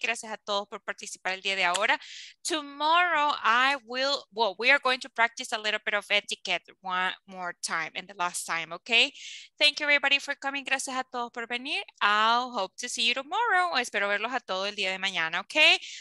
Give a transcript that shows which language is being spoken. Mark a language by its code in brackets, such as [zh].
[es] Gracias a todos por participar el día de ahora. [en] Tomorrow, we are going to practice a little bit of etiquette one more time and the last time, okay? Thank you, everybody, for coming. [es] Gracias a todos por venir. [en] I'll hope to see you tomorrow. [es] O espero verlos a todos el día de mañana, okay?